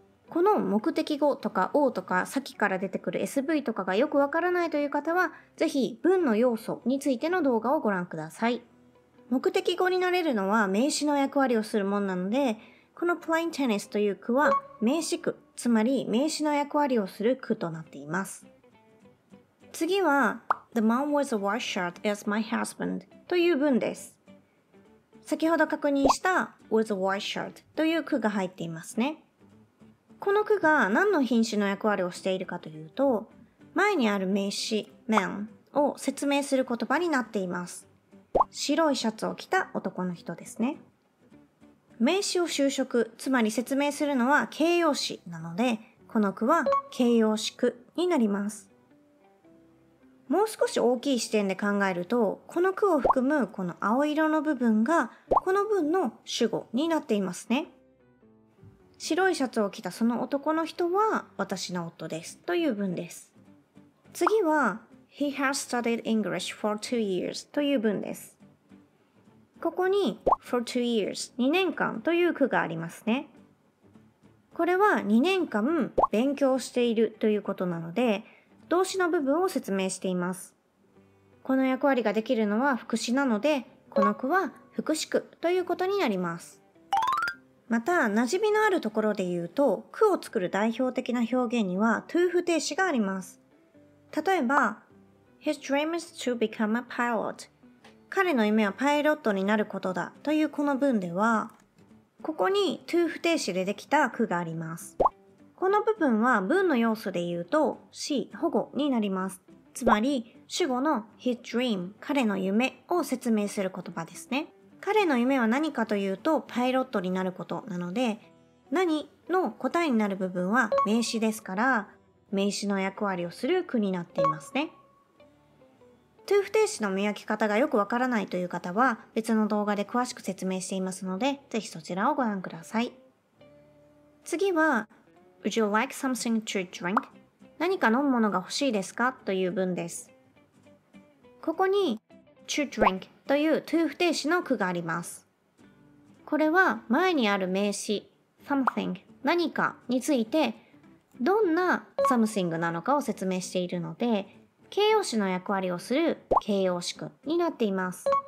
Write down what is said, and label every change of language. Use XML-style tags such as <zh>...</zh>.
<ja>この目的語とか O とか、さっきから出てくる SV とかがよくわからないという方は、ぜひ文の要素についての動画をご覧ください。目的語になれるのは名詞の役割をするものなので、この</ja> <en>Playing Tennis</en> <ja>という句は名詞句、つまり名詞の役割をする句となっています。次は</ja> <en>The man wears a white shirt as my husband</en> <ja>という文です。先ほど確認した</ja> <en>With a white shirt</en> <ja>という句が入っていますね。この句が何の品詞の役割をしているかというと、前にある名詞 man を説明する言葉になっています。白いシャツを着た男の人ですね。名詞を修飾、つまり説明するのは形容詞なので、この句は形容詞句になります。もう少し大きい視点で考えると、この句を含むこの青色の部分が、この文の主語になっていますね。白いシャツを着たその男の人は私の夫ですという文です。次は</ja> <en>He has studied English for 2 years</en> <ja>という文です。ここに</ja> <en>for 2 years</en> <ja>2年間という句がありますね。これは2年間勉強しているということなので、動詞の部分を説明しています。この役割ができるのは副詞なので、この句は副詞句ということになります。また、馴染みのあるところで言うと、句を作る代表的な表現には、to 不定詞があります。例えば、</ja> <en>His dream is to become a pilot.</en> <ja>彼の夢はパイロットになることだというこの文では、ここに to 不定詞でできた句があります。この部分は文の要素で言うと、し、保護になります。つまり、主語の</ja> <en>his dream</en> <ja>彼の夢を説明する言葉ですね。彼の夢は何かというとパイロットになることなので、何の答えになる部分は名詞ですから、名詞の役割をする句になっていますね。 to 不定詞の見分け方がよくわからないという方は別の動画で詳しく説明していますので、ぜひそちらをご覧ください。次は</ja> <en>Would you like something to drink?</en> <ja>何か飲むものが欲しいですかという文です。ここに</ja> <en>to drink</en> <ja>という to 不定詞の句があります。これは前にある名詞 something 何かについてどんな something なのかを説明しているので、形容詞の役割をする形容詞句になっています。</ja>